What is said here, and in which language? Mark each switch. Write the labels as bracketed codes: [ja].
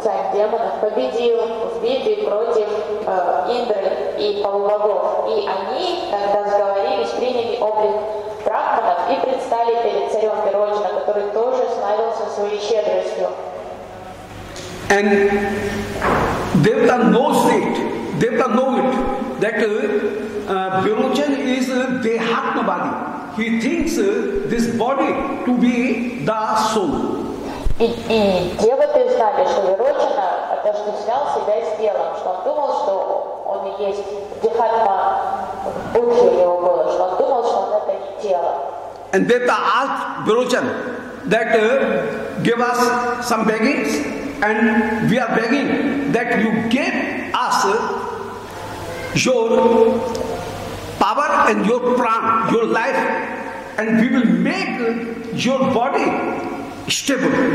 [ru] царь демонов, победил в битве против Индры и полубогов. И они, когда сговорились, приняли облик брахманов и предстали перед царем Пирочно, который тоже славился своей щедростью. [en] And Devta knows it. Devta know it that Virochan is Dehatma body. He thinks this body to be the soul. [ru] И Девоты знали, что Вирочана отождествлял себя с телом, что он думал, что он и есть Дехатма. Будхи у него было, что он думал, что он это не тело. [en] And Devta asked Virochan that give us some beggings. And we are begging that you give us your power and your prana, your life, and we will make your body stable.